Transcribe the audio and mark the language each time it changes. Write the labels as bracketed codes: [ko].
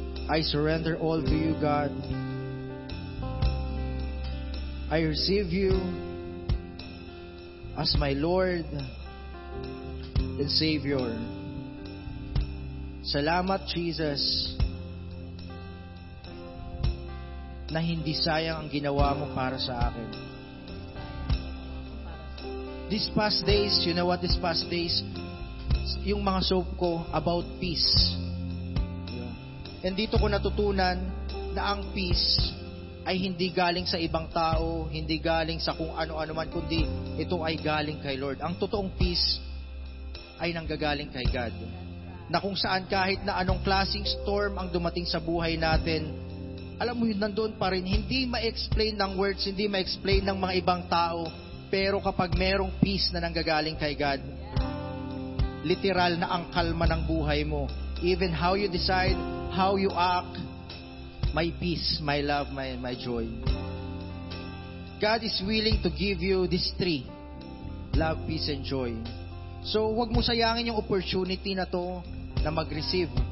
[en] I surrender all to you, God. I receive you as my Lord and Savior. [tl] Salamat, Jesus, na hindi sayang ang ginawa mo para sa akin. [en] These past days, you know what these past days? [tl] Yung mga soap ko about peace. And dito ko natutunan na ang peace ay hindi galing sa ibang tao, hindi galing sa kung ano-ano man, kundi ito ay galing kay Lord. Ang totoong peace ay nanggagaling kay God. Na kung saan kahit na anong klaseng storm ang dumating sa buhay natin, alam mo yun, nandun pa rin. Hindi ma-explain ng words, hindi ma-explain ng mga ibang tao, pero kapag merong peace na nanggagaling kay God, literal na ang kalma ng buhay mo. [en] Even how you decide, how you act, my peace, my love, my joy. God is willing to give you these three, love, peace, and joy. [tl] So, huwag mo sayangin yung opportunity na to na mag-receive.